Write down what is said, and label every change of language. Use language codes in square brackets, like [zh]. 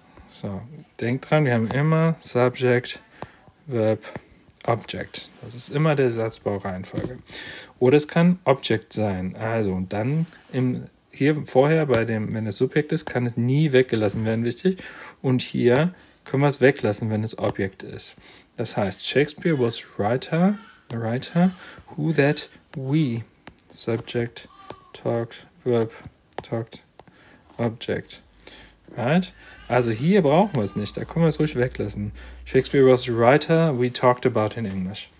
[de] So, denkt dran, wir haben immer Subject, Verb, Object. Das ist immer der Satzbaureihenfolge. Oder es kann Object sein. Also, und dann wenn es Subjekt ist, kann es nie weggelassen werden, wichtig. Und hier können wir es weglassen, wenn es Objekt ist. Das heißt, [en] Shakespeare was a writer, who that we, subject, talked, verb, talked, object. Right? [de] Also hier brauchen wir es nicht, da können wir es ruhig weglassen. [en] Shakespeare was a writer, we talked about in English.